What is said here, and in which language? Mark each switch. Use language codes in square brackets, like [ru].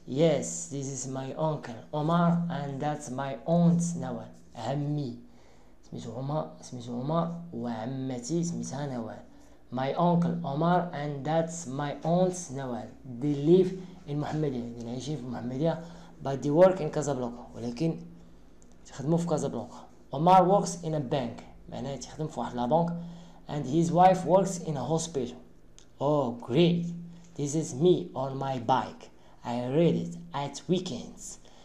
[en] Yes, this is my uncle, Omar, and that's my aunt, Nawal. [ar] Ammi. سميسو عمر وعمتي سميسها نوال. [en] My uncle Omar and that's my aunt Nawal. They live in Mohammedia. [ar] يعيشين في محمدية. [en] But they work in Casablanca. [ar] ولكن يخدموا في Casablanca. [en] Omar works in a bank. [ar] معناه يخدم في واحد لا بنك. [en] And his wife works in a hospital. Oh great. This is me on my bike. I ride it at weekends.